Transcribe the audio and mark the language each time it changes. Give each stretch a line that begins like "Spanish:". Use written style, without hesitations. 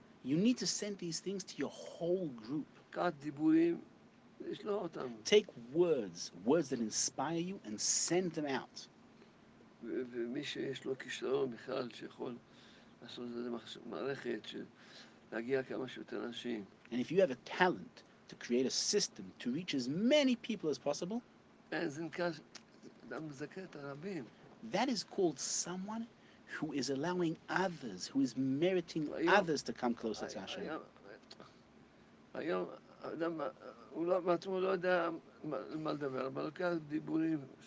English: You need to send these things to your whole group. Take words, words that inspire you, and send them out.
Hebrew: ומי שיש לו כישרון בכלל שיכול לעשות את זה מערכת של להגיע כמה שיותר אנשים.
English: And if you have a talent to create a system to reach as many people as possible, that is called someone who is allowing others, who is meriting others to come closer to Hashem.
Hebrew: היום אדם, הוא לא יודע מה לדבר, אבל לוקח דיבורים.